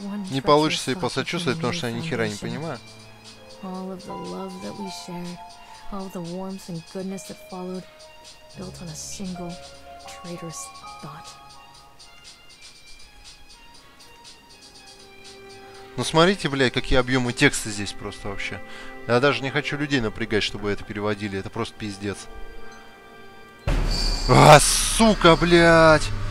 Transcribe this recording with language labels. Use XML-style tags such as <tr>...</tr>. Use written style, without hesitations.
<ru>Не получится и посочувствовать, потому что я нихера не понимаю.</ru> <en>All of the love that we shared, all the warmth and goodness that followed, built on a single traitorous thought.</en> <ru>Ну смотрите, блядь, какие объемы текста здесь просто вообще. Я даже не хочу людей напрягать, чтобы это переводили. Это просто пиздец. А, сука, блядь!</ru>